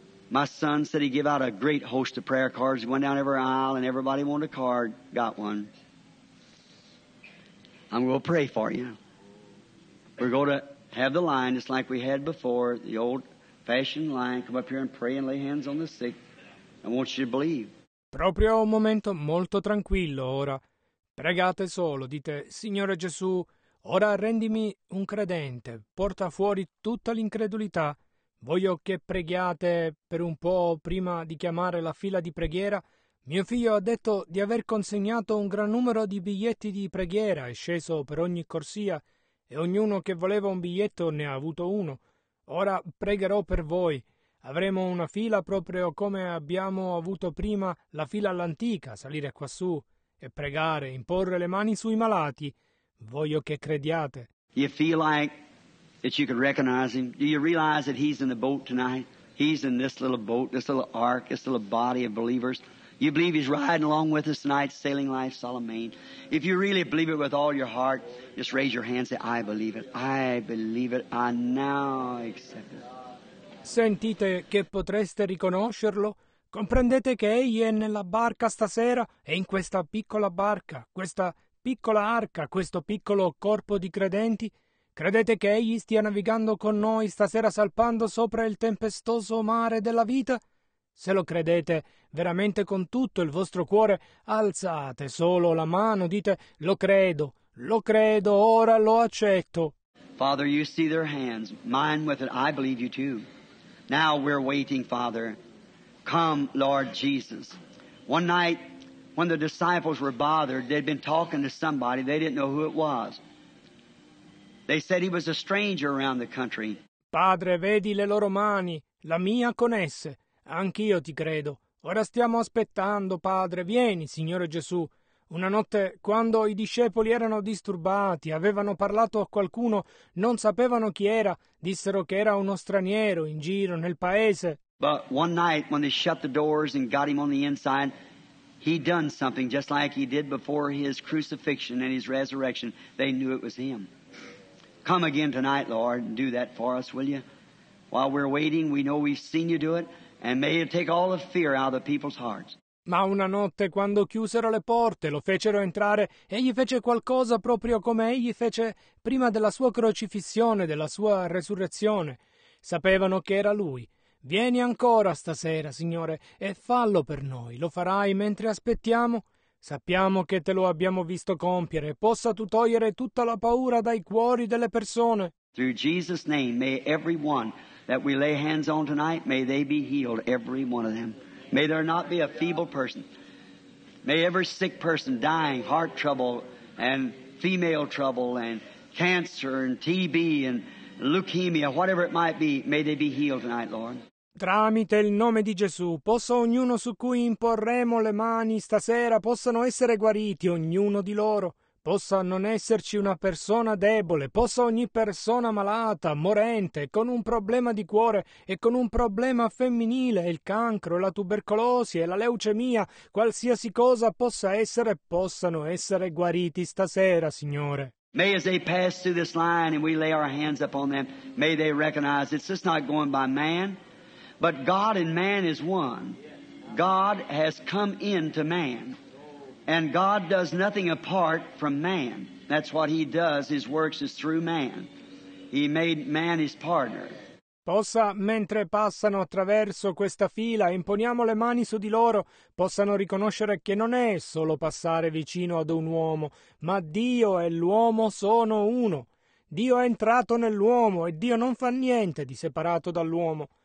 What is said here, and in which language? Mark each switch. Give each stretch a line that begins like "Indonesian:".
English: My son said he'd give out a great host of prayer cards. He went down every aisle and everybody wanted a card, got one. I'm going to pray for you. We're going to have the line just like we had before, the old-fashioned line. Come up here and pray and lay hands on the sick. I want you to believe.
Italian: Proprio un momento molto tranquillo ora. Pregate solo, dite, Signore Gesù, ora rendimi un credente, porta fuori tutta l'incredulità. Voglio che preghiate per un po' prima di chiamare la fila di preghiera. Mio figlio ha detto di aver consegnato un gran numero di biglietti di preghiera, è sceso per ogni corsia, e ognuno che voleva un biglietto ne ha avuto uno. Ora pregherò per voi. Avremo una fila proprio come abbiamo avuto prima la fila all'antica, salire quassù. E pregare, imporre le mani sui malati. Voglio che crediate.
English: You feel like that you could recognize him? Do you realize that he's in the boat tonight? He's in this little boat, this little ark, this little body of believers. You believe he's riding along with us tonight, sailing life solemn main. If you really believe it with all your heart, just raise your hand and say, I believe it. I believe it. I now accept it.
Italian: Sentite che potreste riconoscerlo? Comprendete che egli è nella barca stasera e in questa piccola barca, questa piccola arca, questo piccolo corpo di credenti? Credete che egli stia navigando con noi stasera salpando sopra il tempestoso mare della vita? Se lo credete veramente con tutto il vostro cuore, alzate solo la mano, dite, lo credo, ora lo accetto.
English: Father, you see their hands, mine with it, I believe you too. Now we're waiting, Father. Come, Lord Jesus. One night, when the disciples were bothered, they'd been talking to somebody. They didn't know who it was. They said he was a stranger around the country.
Italian: Padre, vedi le loro mani, la mia con esse. Anch'io ti credo. Ora stiamo aspettando, Padre. Vieni, Signore Gesù. Una notte, quando i discepoli erano disturbati, avevano parlato a qualcuno, non sapevano chi era, dissero che era uno straniero in giro nel paese.
English: But one night when they shut the doors and got him on the inside, he done something just like he did before his crucifixion and his resurrection. They knew it was him. Come again tonight, Lord, and do that for us, will you? While we're waiting, we know we've seen you do it, and may it take all the fear out of the people's hearts.
Italian: Ma una notte, quando chiusero le porte, lo fecero entrare, egli fece qualcosa proprio come egli fece prima della sua crocifissione, della sua resurrezione. Sapevano che era lui. Vieni ancora stasera, Signore, e fallo per noi. Lo farai mentre aspettiamo? Sappiamo che te lo abbiamo visto compiere. Possa tu togliere tutta la paura dai cuori delle persone.
English: Through Jesus' name, may everyone that we lay hands on tonight, may they be healed, every one of them. May there not be a feeble person. May every sick person dying, heart trouble, and female trouble, and cancer, and TB, and leukemia, whatever it might be, may they be healed tonight, Lord.
Italian: Tramite il nome di Gesù, possa ognuno su cui imporremo le mani stasera, possano essere guariti, ognuno di loro. possa non esserci una persona debole, possa ogni persona malata, morente, con un problema di cuore e con un problema femminile, il cancro, la tubercolosi e la leucemia, qualsiasi cosa possa essere, possano essere guariti stasera, Signore.
English: May as they pass through this line and we lay our hands upon them, may they recognize it's just not going by man, but God and man is one. God has come into man. And God does nothing apart from man. That's what he does. His works is through man. He made man his partner.
Italian: Possa, mentre passano attraverso questa fila, imponiamo le mani su di loro, possano riconoscere che non è solo passare vicino ad un uomo, ma Dio e l'uomo sono uno. Dio è entrato nell'uomo e Dio non fa niente di separato dall'uomo.